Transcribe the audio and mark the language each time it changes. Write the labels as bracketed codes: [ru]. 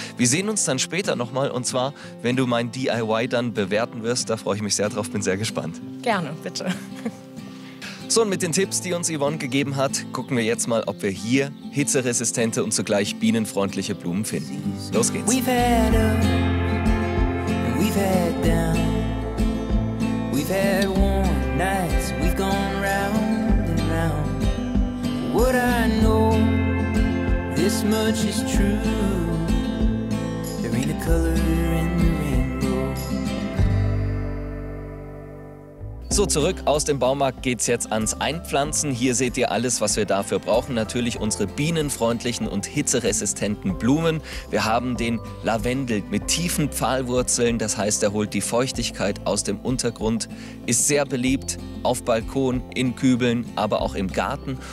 [de] Wir sehen uns dann später nochmal und zwar, wenn du mein DIY dann bewerten wirst. Da freue ich mich sehr drauf, bin sehr gespannt. Gerne, bitte. So, und mit den Tipps, die uns Yvonne gegeben hat, gucken wir jetzt mal, ob wir hier hitzeresistente und zugleich bienenfreundliche Blumen finden. Los geht's. [en] We've had up, we've had down, we've had warm nights, we've gone round and round. What I know, this much is true, there ain't a color in the rainbow. [de] So, zurück aus dem Baumarkt geht's jetzt ans Einpflanzen. Hier seht ihr alles, was wir dafür brauchen. Natürlich unsere bienenfreundlichen und hitzeresistenten Blumen. Wir haben den Lavendel mit tiefen Pfahlwurzeln. Das heißt, er holt die Feuchtigkeit aus dem Untergrund. Ist sehr beliebt auf Balkon, in Kübeln, aber auch im Garten.